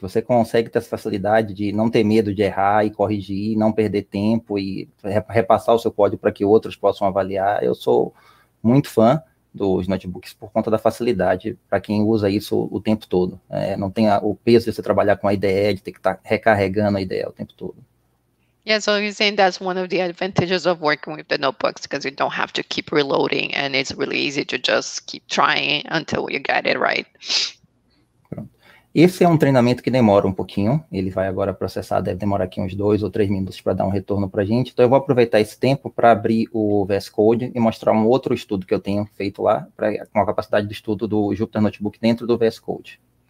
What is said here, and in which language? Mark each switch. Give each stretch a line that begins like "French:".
Portuguese: Você consegue ter essa facilidade de não ter medo de errar e corrigir, não perder tempo e repassar o seu código para que outros possam avaliar. Eu sou muito fã dos notebooks por conta da facilidade para quem usa isso o tempo todo. É, não tem o peso de você trabalhar com a IDE, de ter que estar recarregando a IDE o tempo todo.
English: Yeah, so you're saying that's one of the advantages of working with the notebooks because you don't have to keep reloading and it's really easy to just keep trying until you get it right.
Portuguese: Pronto. Esse é um treinamento que demora um pouquinho. Ele vai agora processar, deve demorar aqui uns 2 ou 3 minutos para dar um retorno para a gente. Então, eu vou aproveitar esse tempo para abrir o VS Code e mostrar um outro estudo que eu tenho feito lá com a capacidade de estudo do Jupyter Notebook dentro do VS Code.